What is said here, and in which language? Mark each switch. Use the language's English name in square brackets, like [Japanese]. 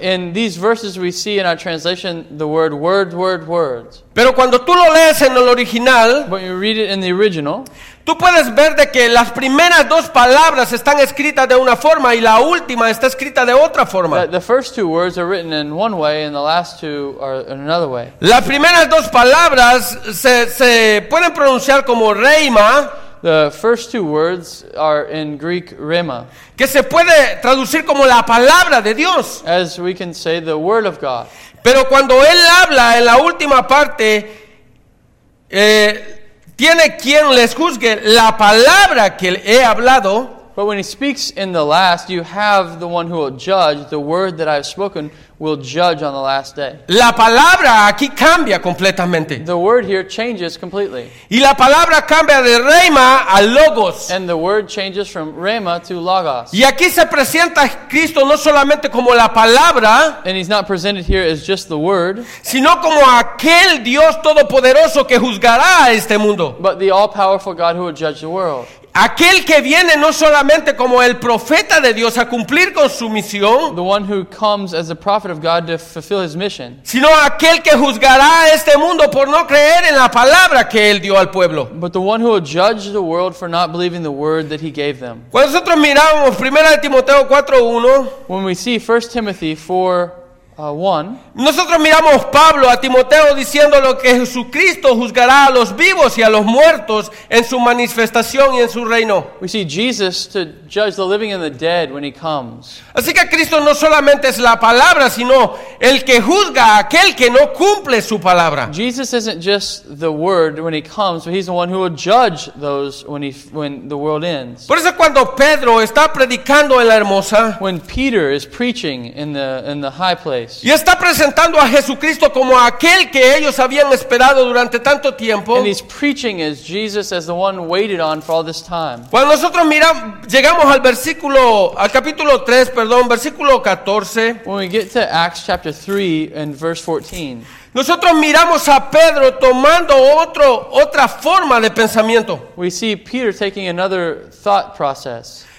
[English] In these verses we see in our translation the word words. [Spanish] Pero cuando tú lo lees en el original, [English] when you read it in the original, [Spanish] tú puedes ver de que las primeras dos palabras están escritas de una forma y la última está escrita de otra forma. [English] The first two words are written in one way and the last two are in another way. [Spanish] Las primeras dos palabras se pueden pronunciar como reima. [English] The first two words are in Greek rhema. [Spanish] Que se puede traducir como la palabra de Dios. [English] As we can say, the word of God. [Spanish] Pero cuando él habla en la última parte, tiene quien les juzgue la palabra que he hablado. [English] But when he speaks in the last, you have the one who will judge. The word that I've spoken will judge on the last day. [Spanish] La palabra aquí cambia completamente. [English] The word here changes completely. [Spanish] Y la palabra cambia de rhema a logos. [English] And the word changes from rhema to logos. [Spanish] Y aquí se presenta Cristo no solamente como la palabra, [English] and he's not presented here as just the word, [Spanish] sino como aquel Dios todopoderoso que juzgará a este mundo. [English] But the all-powerful God who will judge the world. [Spanish] Aquel que viene no solamente como el profeta de Dios a cumplir con su misión, [English] the one who comes as the prophet of God to fulfill his mission, [Spanish] sino aquel que juzgará a este mundo por no creer en la palabra que él dio al pueblo. [English] But the one who will judge the world for not believing the word that he gave them. [Spanish] Cuando nosotros miramos 1 Timoteo 4:1, [English] when we see 1 Timothy 4:1, [Spanish] nosotros miramos Pablo a Timoteo diciendo lo que Jesucristo juzgará a los vivos y a los muertos en su manifestación y en su reino. [English] We see Jesus to judge the living and the dead when he comes. [Spanish] Así que Cristo no solamente es la palabra, sino el que juzga a aquel que no cumple su palabra. [English] Jesus isn't just the word when he comes, but he's the one who will judge those when the world ends. [Spanish] Por eso cuando Pedro está predicando en la hermosa, [English] when Peter is preaching in the high place, [Spanish] y está presentando a Jesucristo como aquel que ellos habían esperado durante tanto tiempo. [English] And he's preaching as Jesus as the one waited on for all this time. [Spanish] Cuando nosotros llegamos al capítulo 3, versículo 14. [English] When we get to Acts chapter 3 and verse 14. [Spanish] Nosotros miramos a Pedro tomando otra forma de pensamiento. [English] We see Peter taking another thought process.